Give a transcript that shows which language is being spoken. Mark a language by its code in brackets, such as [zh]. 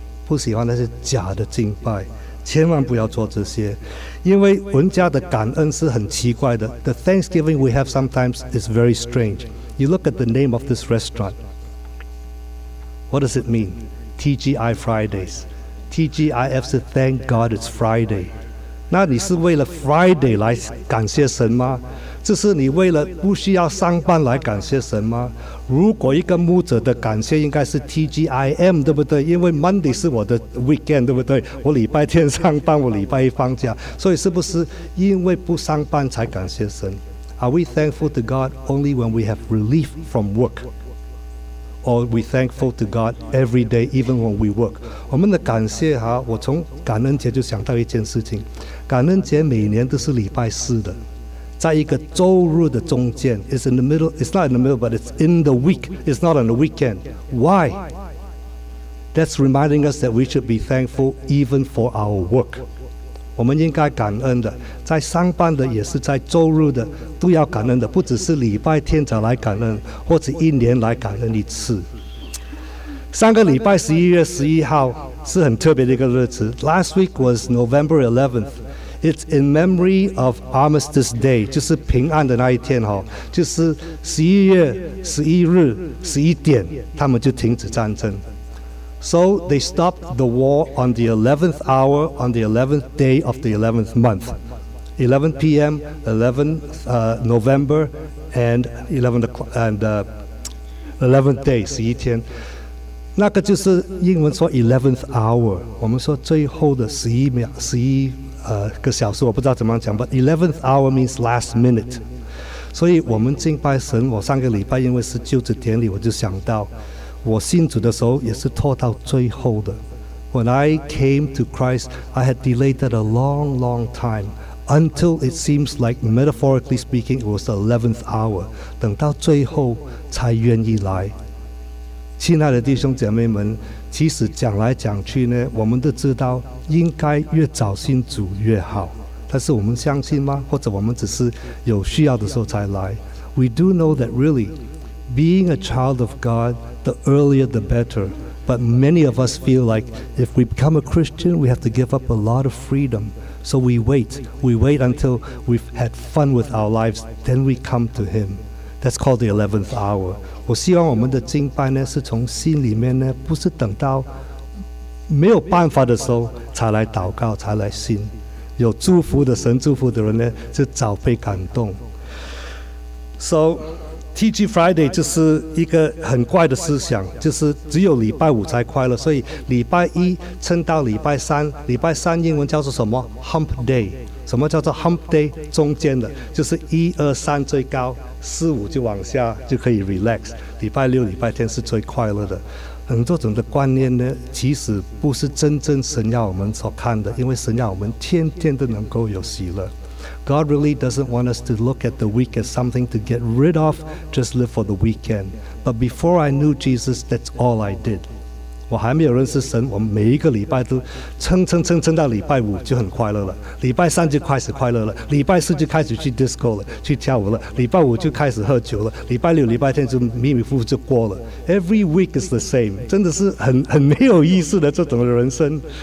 [zh] 不喜欢那些假的敬拜，千万不要做这些，因为文家的感恩是很奇怪的。 [en] The Thanksgiving we have sometimes is very strange. You look at the name of this restaurant. What does it mean? TGI Fridays. TGIF 是 Thank God It's Friday. [zh] 那你是为了 Friday 来感谢神吗？这是你为了不需要上班来感谢神吗？如果一个牧者的感谢应该是 TGIM， 对不对？因为 Monday 是我的 weekend， 对不对？我礼拜天上班，我礼拜一放假，所以是不是因为不上班才感谢神？ [en] Are we thankful to God only when we have relief from work? Or we thankful to God every day even when we work? [zh] 我们的感谢哈，我从感恩节就想到一件事情，感恩节每年都是礼拜四的，在一个周日的中间， [en] it's in the middle, it's not in the middle, but it's in the week, it's not on the weekend. Why? That's reminding us that we should be thankful even for our work. [zh] 我们应该感恩的，在上班的也是在周日的都要感恩的，不只是礼拜天才来感恩，或者一年来感恩一次。上个礼拜11月11号是很特别的一个日子。 [en] Last week was November 11th. It's in memory of Armistice Day, [zh] 就是平安的那一天，就是11月11日11点他们就停止战争。 [en] So they stopped the war on the 11th hour, on the 11th day of the 11th month. 11 p.m., 11th November, and 11th day, 11天。 [zh] 那个就是英文说 11th hour, 我们说最后的11秒11个小时，我不知道怎么讲， [en] but 11th hour means last minute. [zh] 所以我们敬拜神，我上个礼拜因为是就职典礼，我就想到我信主的时候也是拖到最后的。 [en] When I came to Christ, I had delayed that a long, long time, until it seems like, metaphorically speaking, it was the 11th hour. [zh] 等到最后才愿意来。亲爱的弟兄姐妹们，其实讲来讲去呢，我们都知道应该越早信主越好，但是我们相信吗？或者我们只是有需要的时候才来？ [en] We do know that really, being a child of God, the earlier the better. But many of us feel like if we become a Christian, we have to give up a lot of freedom. So we wait. We wait until we've had fun with our lives, then we come to Him. That's called the 11th hour. [zh] 我希望我们的敬拜呢，是从心里面呢，不是等到没有办法的时候才来祷告，才来信。有祝福的神，祝福的人呢，就早被感动。 So, TG Friday 就是一个很怪的思想，就是只有礼拜五才快乐，所以礼拜一撑到礼拜三，礼拜三英文叫做什么 ？Hump Day。什么叫做 Hump Day？中间的，就是一二三最高。四五就往下就可以 relax， 礼拜六礼拜天是最快乐的。很多种的观念呢，其实不是真正神要我们所看的，因为神要我们天天都能够有喜乐。 [en] God really doesn't want us to look at the week as something to get rid of, just live for the weekend. But before I knew Jesus, that's all I did. [zh] 我还没有认识神，我每一个礼拜都撑到礼拜五就很快乐了，礼拜三就开始快乐了，礼拜四就开始去 disco 了，去跳舞了，礼拜五就开始喝酒了，礼拜六礼拜天就迷迷糊糊就过了。 [en] Every week is the same， [zh] 真的是很没有意思的这种人生。